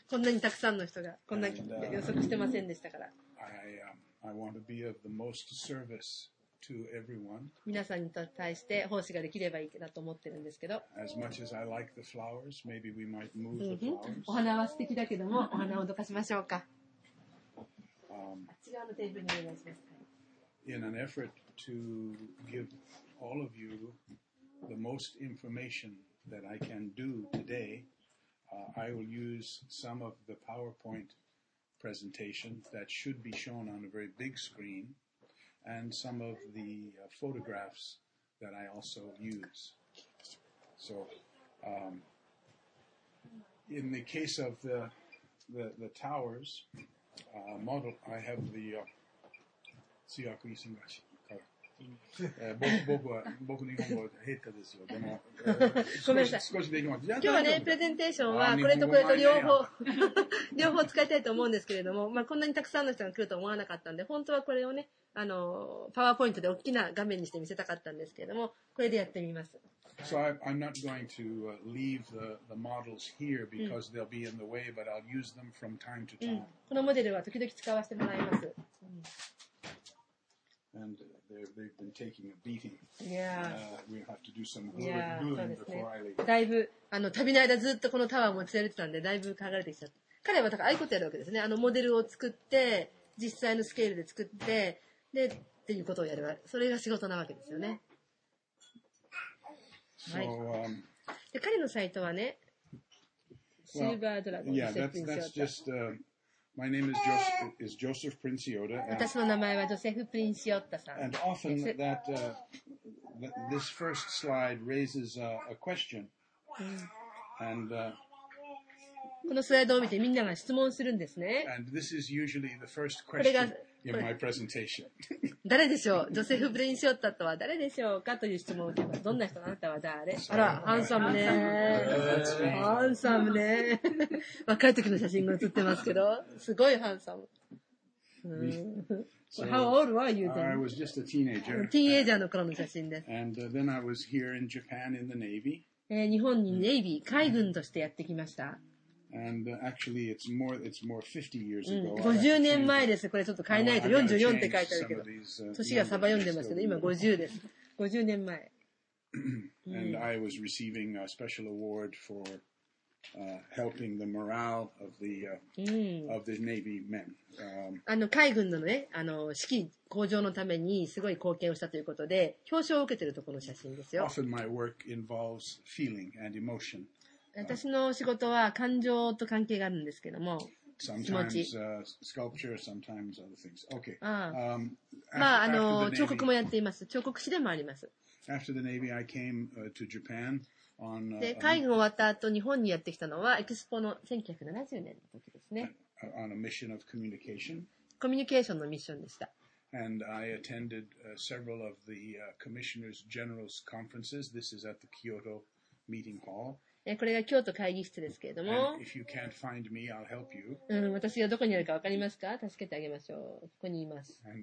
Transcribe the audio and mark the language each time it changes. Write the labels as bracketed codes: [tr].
[ja] こんなにたくさんの人が、こんな予測してませんでしたから。 [en] I want to be of the most service to everyone. [ja] 皆さんに対して奉仕ができればいいなと思ってるんですけど。 [en] As much as I like the flowers, maybe we might move the flowers. [ja] お花は素敵だけども、お花をどかしましょうか。 [en] In an effort to give all of you the most information that I can do today, I will use some of the PowerPoint presentation that should be shown on a very big screen and some of the photographs that I also use. So, in the case of the towers,model, I have the, [ja] 強く言いすぎましたから。僕は日本語は下手ですよ。でも、ごめんなさい。少しできます。今日はね、プレゼンテーションはこれとこれと両方、両方使いたいと思うんですけれども、まあこんなにたくさんの人が来ると思わなかったんで、本当はこれをね、パワーポイントで大きな画面にして見せたかったんですけれども、これでやってみます。 [en] So I'm not going to leave the models here because they'll be in the way, but I'll use them from time to time. [ja] このモデルは時々使わせてもらいます。 [en] And they've been taking a beating. Yeah. We have to do some good before I leave. [ja] だいぶ、旅の間ずっとこのタワーを持ち歩いてたんで、だいぶ剥がれてきちゃった。彼はだからああいうことやるわけですね。モデルを作って、実際のスケールで作って、で、っていうことをやれば、それが仕事なわけですよね。はい。で、彼のサイトはね、シルバードラゴン。 [en] Yeah, that's just, my name is Joseph Princiota. [ja] 私の名前はジョセフ・プリンシオッタさん。 [en] And often that, this first slide raises a question. And, [ja] このスライドを見てみんなが質問するんですね。 [en] And this is usually the first question. In my presentation. [ja] 誰でしょう、ジョセフ・ブレインシオッタとは誰でしょうかという質問を受けます。どんな人、あなたは誰？あら、ハンサムね。ハンサムね。若い時の写真が写ってますけど、すごいハンサム。 [en] So how old were you then? I was just a teenager. [ja] Teenager の頃の写真です。 [en] And then I was here in Japan in the Navy. [ja] 日本にネイビー、海軍としてやってきました。 [en] And actually, it's more 50 years ago. [ja] 50年前です。これちょっと変えないと44って書いてあるけど。年がサバ読んでますけど、今50です。 50年前。 [en] And I was receiving a special award for helping the morale of the of the Navy men. [ja] 海軍のね、士気向上のためにすごい貢献をしたということで表彰を受けているところの写真ですよ。 [en] Often my work involves feeling and emotion. [ja] 私の仕事は感情と関係があるんですけども。 [en] Sometimes sculpture, sometimes other things. Okay. After [ja] 彫刻もやっています。彫刻師でもあります。 [en] After the Navy, I came to Japan on. [ja] で、海軍終わった後日本にやってきたのはエキスポの1970年の時ですね。 [en] On a mission of communication. [ja] コミュニケーションのミッションでした。 [en] And I attended several of the commissioners general's conferences. This is at the Kyoto meeting hall. [ja] これが京都会議室ですけれども、 [en] me, [ja] うん、私がどこにあるか分かりますか？助けてあげましょう。ここにいます。